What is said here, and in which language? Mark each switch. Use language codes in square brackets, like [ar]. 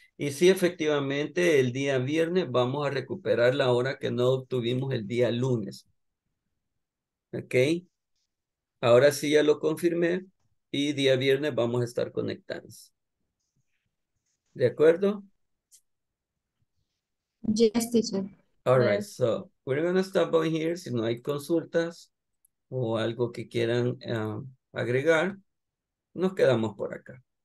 [es] Y sí, efectivamente, el día viernes vamos a recuperar la hora que no obtuvimos el día lunes. ¿Ok? Ahora sí ya lo confirmé y día viernes vamos a estar conectados. ¿De acuerdo? [en] Yes, teacher. All right, so we're going to stop on here. [es] Si no hay consultas o algo que quieran agregar, nos quedamos por acá.